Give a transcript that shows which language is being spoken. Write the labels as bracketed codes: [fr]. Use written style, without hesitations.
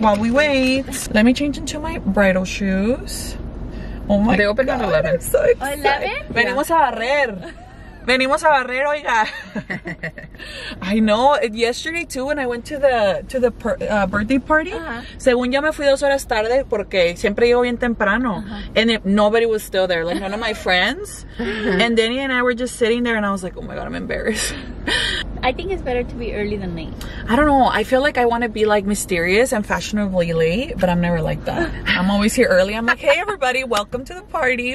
[en] While we wait, let me change into my bridal shoes. Oh, my God. They open at 11. I'm so excited. 11? [es] Venimos a barrer. Venimos a barrer, oiga. [en] I know. Yesterday, too, when I went to the birthday party, uh-huh. [es] Según yo me fui dos horas tarde porque siempre llego bien temprano. [en] Uh-huh. And nobody was still there, like none of my friends. Uh-huh. And Danny and I were just sitting there, and I was like, oh, my God, I'm embarrassed. I think it's better to be early than late. I don't know. I feel like I want to be, like, mysterious and fashionably late, but I'm never like that. I'm always here early. I'm like, hey, everybody, welcome to the party.